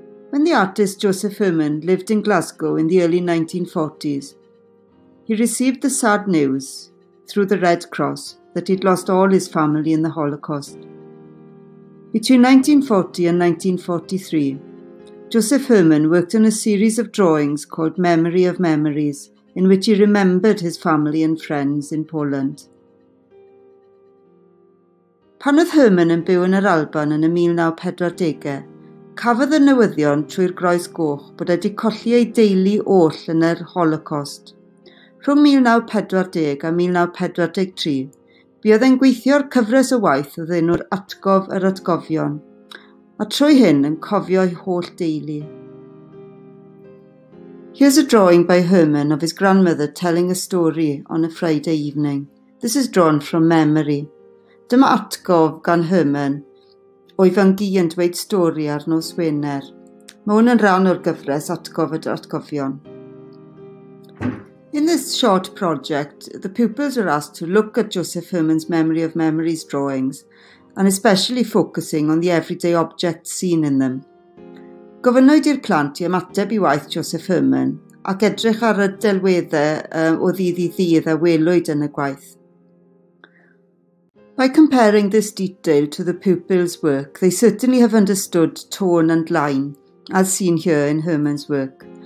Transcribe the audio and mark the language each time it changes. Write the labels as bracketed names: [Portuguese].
[English] When the artist Josef Herman lived in Glasgow in the early 1940s, he received the sad news through the Red Cross that he'd lost all his family in the Holocaust. Between 1940 and 1943, Josef Herman worked on a series of drawings called Memory of Memories, in which he remembered his family and friends in Poland. [Welsh] Pan oedd Herman yn byw yn yr Alban yn y 1940au, cafodd y newyddion trwy'r groes goch bod wedi colli ei deulu oll yn yr Holocaust. Rhwng 1940 a 1943, bu oedd e'n gweithio'r cyfres o waith oedd enw'r atgof yr atgofion, a trwy hyn yn cofio ei holl deulu. [English] Here's a drawing by Herman of his grandmother telling a story on a Friday evening. This is drawn from memory. [Welsh] Dyma atgof gan Herman. O'i fyngu yn dweud stori ar nos Wener. Mae hwn yn rhan o'r gyfres atgof yr atgofion. [English] In this short project, the pupils are asked to look at Josef Herman's Memory of Memories drawings and especially focusing on the everyday objects seen in them. [Welsh] Gofynnwyd i'r plant i ymateb i waith Josef Herman ac edrych ar y delweddau o ddydd i ddydd a welwyd yn y gwaith. [English] By comparing this detail to the pupils' work, they certainly have understood tone and line, as seen here in Herman's work.